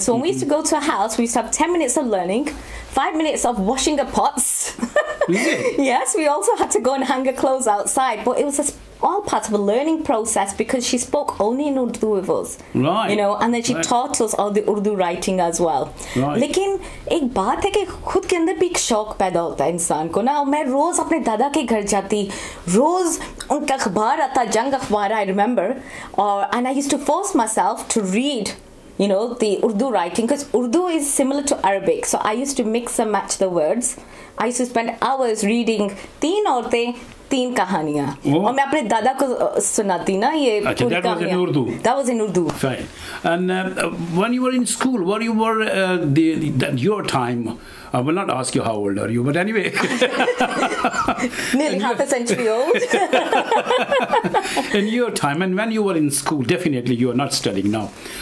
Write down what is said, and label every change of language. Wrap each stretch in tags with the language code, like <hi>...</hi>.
<en>So when we used to go to her house, we used to have 10 minutes of learning, 5 minutes of washing the pots. Yes, we also had to go and hang her clothes outside. But it was all part of a learning process, because she spoke only in Urdu with us. Right. You know, and then she taught us all the Urdu writing as well. Right.</en> <ur>لیکن ایک بات ہے کہ خود کے اندر بھی ایک شوق پیدا ہوتا ہے انسان کو نا. میں روز اپنے دادا کے گھر جاتی, روز ان کا اخبار آتا, جنگ اخبار,</ur> <en>I remember. And I used to force myself to read, you know, the Urdu writing, because Urdu is similar to Arabic. So I used to mix and match the words. I used to spend hours reading 3 عورتیں 3 کہانیاں.</en> <ur>Oh. اور میں اپنے دادا کو سناتی نا یہ پوری</ur> <en>kahaniyan. That was in Urdu. That was in Urdu. Fine. And when you were in school, what you were the your time? I will not ask you how old are you, but anyway. Nearly half a century old. In your time, and when you were in school, definitely you are not studying now.</en>